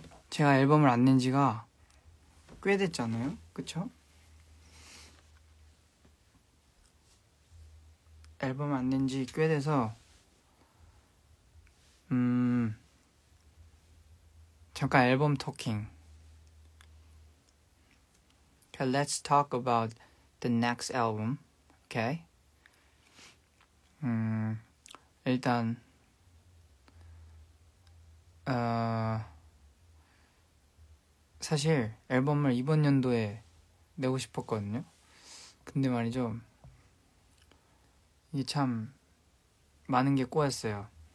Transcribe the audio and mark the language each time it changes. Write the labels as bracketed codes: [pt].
[ko] 제가 앨범을 안 낸 지가 꽤 됐잖아요? 그쵸? 앨범 안 낸 지 꽤 돼서 잠깐 앨범 토킹. [en] Okay, let's talk about the next album, okay? [ko] 일단 사실 앨범을 이번 연도에 내고 싶었거든요. 근데 말이죠, 이게 참 많은 게 꼬였어요.